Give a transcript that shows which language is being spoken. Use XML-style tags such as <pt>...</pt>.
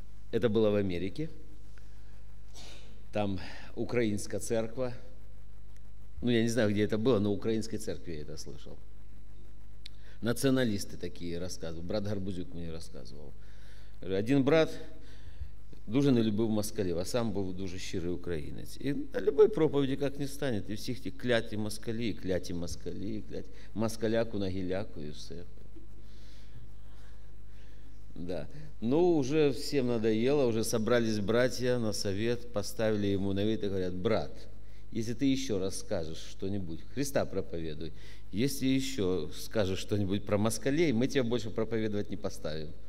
<ru>Это было в Америке. Там украинская церковь. Ну, я не знаю, где это было, но в украинской церкви я это слышал. Националисты такие рассказывают. Брат Горбузюк мне рассказывал.</ru> <uk>Один брат дуже не любив москалів, а сам був дуже щирий українець. І на любой проповіді</uk> <ru>как не станет.</ru> <uk>І всіх ті кляті москалі, кляті москалі, кляті москаляку на гіляку і все.</uk> <ru>Да. Ну, уже всім надоело, уже собрались братья на совет,</ru> <uk>поставили йому на вид</uk> <ru>і говорять, брат, если ты еще раз скажешь что-нибудь, Христа проповедуй, если еще скажешь что-нибудь про москалей, мы тебя больше проповедовать не поставим.</ru>